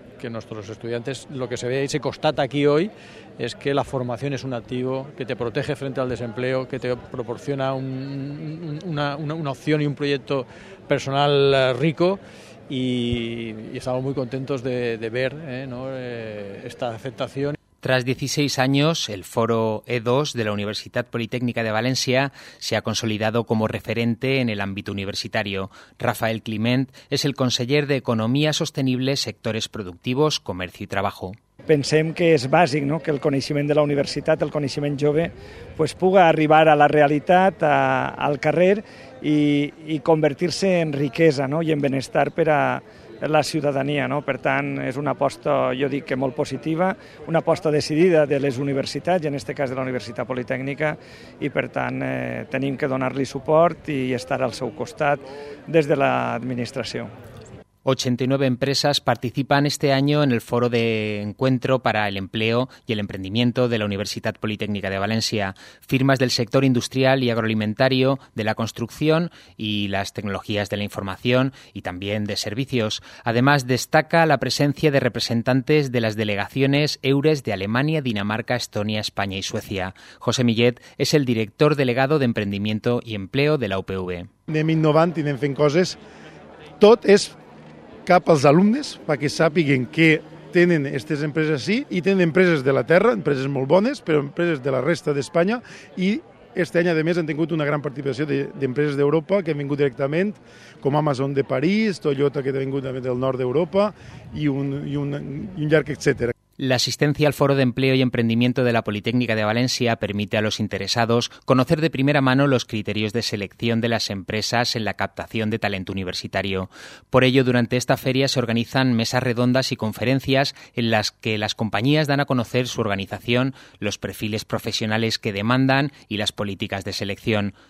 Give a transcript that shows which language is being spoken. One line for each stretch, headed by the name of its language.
Spanish: nuestros estudiantes, lo que se ve y se constata aquí hoy, es que la formación es un activo que te protege frente al desempleo, que te proporciona una opción y un proyecto personal rico, y estamos muy contentos de ver esta aceptación. Tras 16 años, el Foro E2 de la Universidad Politécnica de Valencia se ha consolidado como referente en el ámbito universitario. Rafael Climent es el conseller de Economía Sostenible, Sectores Productivos, Comercio y Trabajo.
Catalan: Pensem que és bàsic, no?, que el coneixement de la universitat, el coneixement jove, pues puga arribar a la realitat, al carrer, i convertir-se en riquesa, no?, i en benestar per a la ciutadania, no? Per tant, és una aposta, jo dic que molt positiva, una aposta decidida de les universitats, i en aquest cas de la Universitat Politècnica, i per tant tenim que donar-li suport i estar al seu costat des de l'administració.
Spanish: 89 empresas participan este año en el Foro de Encuentro para el Empleo y el Emprendimiento de la Universidad Politécnica de Valencia. Firmas del sector industrial y agroalimentario, de la construcción y las tecnologías de la información y también de servicios. Además, destaca la presencia de representantes de las delegaciones EURES de Alemania, Dinamarca, Estonia, España y Suecia. José Millet es el director delegado de Emprendimiento y Empleo de la UPV.
Catalan: Anem innovant i anem fent coses. Tot és cap als alumnes perquè sàpiguen que tenen aquestes empreses sí, i tenen empreses de la terra, empreses molt bones, però empreses de la resta d'Espanya, i este any, a més, han tingut una gran participació d'empreses d'Europa que han vingut directament, com Amazon de París, Toyota, que ha vingut també del nord d'Europa, i un llarg etcètera.
Spanish: La asistencia al Foro de Empleo y Emprendimiento de la Politécnica de Valencia permite a los interesados conocer de primera mano los criterios de selección de las empresas en la captación de talento universitario. Por ello, durante esta feria se organizan mesas redondas y conferencias en las que las compañías dan a conocer su organización, los perfiles profesionales que demandan y las políticas de selección.